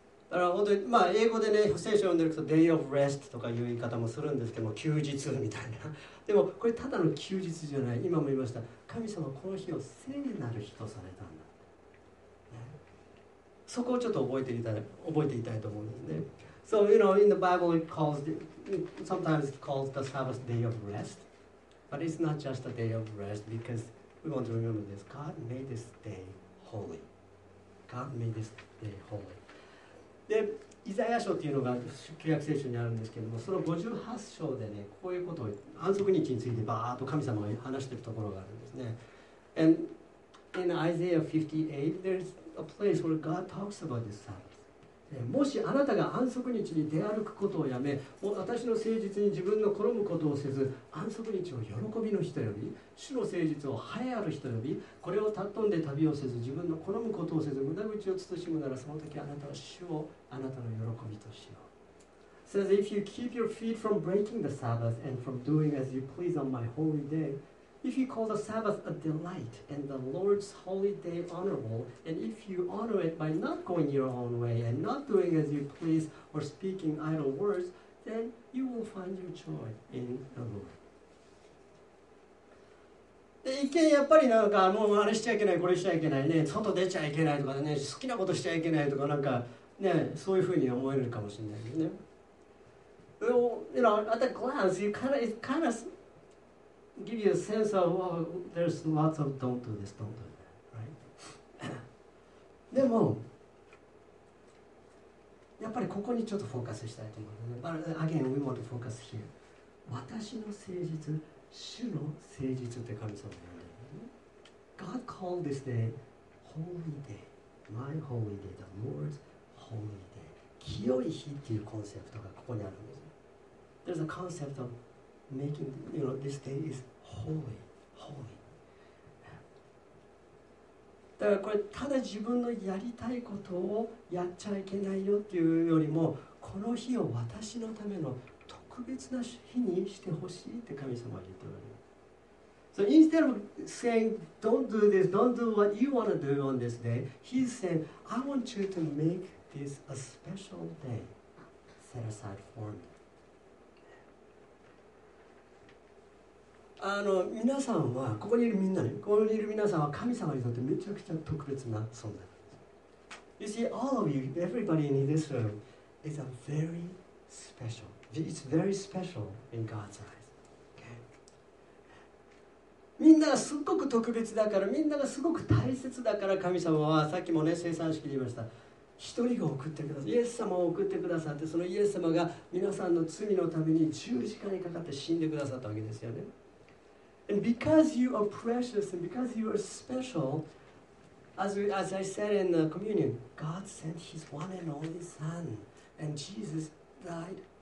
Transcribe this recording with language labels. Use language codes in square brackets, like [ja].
[ja] だから本当に、まあ、英語でね聖書を読んでると Day of Rest とかいう言い方もするんですけども、休日みたいな。でもこれただの休日じゃない。今も言いました、神様この日を聖なる日とされたんだ、ね、そこをちょっと覚えていたいと思うんですね。 [en] So you know in the Bible it calls the, sometimes it calls the Sabbath Day of Rest, but it's not just a day of rest because we want to remember this. God made this day holy. God made this day holy. [ja] で、イザヤ書っていうのが旧約聖書にあるんですけども、その58章でね、こういうことを安息日についてバーッと神様が話しているところがあるんですね。 [en] And in Isaiah 58, there's a place where God talks about this Sabbath. [ja] もしあなたが安息日に出歩くことをやめ、もう私の聖日に自分の衣むことをせず、安息日を喜びの日と呼び、主の聖日を栄えある日と呼び、これを尊んで旅をせず、自分の好むことをせず、無駄口を慎むなら、その時あなたは主をあなたの喜びとしよう。 [en] Says, if you keep your feet from breaking the Sabbath and from doing as you please on my holy day, if you call the Sabbath a delight and the Lord's holy day honorable, and if you honor it by not going your own way and not doing as you please or speaking idle words, then you will find your joy in the Lord. [ja] で一見やっぱりなんかもうあれしちゃいけない、これしちゃいけないね、外出ちゃいけないとかね、好きなことしちゃいけないとかなんかね、そういうふうに思えるかもしれないですね。でも、 [en] you know, at a glance, it kind of gives you a sense of, well, there's lots of don't do this, don't do that, right? [ja] でも、やっぱりここにちょっとフォーカスしたいと思うね。 [en] But again, we want to focus here. [ja] 私の誠実、主の誠実って神様なんだよね。 [en] God called this day holy day, my holy day, the Lord's holy day. [ja] 清い日っていうコンセプトがここにあるんです。 [en] There's a concept of making, you know, this day is holy, holy. [ja] だからこれただ自分のやりたいことをやっちゃいけないよっていうよりも、この日を私のための特別な日にしてほしいって神様は言っております。 [en] So instead of saying, don't do this, don't do what you want to do on this day, he's saying, I want you to make this a special day set aside for me. [ja] あの、皆さんは、ここにいるみんなね、ここにいる皆さんは神様にとってめちゃくちゃ特別な存在です。 [en] You see, all of you, everybody in this room is a very special. It's very special in God's eyes. Okay. [ja] みんながすごく特別だから、みんながすごく大切だから、神様はさっきもね、聖餐式で言いました。一人が送ってくださって、イエス様を送ってくださって、そのイエス様が皆さんの罪のために十字架にかかって死んでくださったわけですよね。 [en] And because you are precious and because you are special, as I said in the communion, God sent His one and only Son, and Jesus died.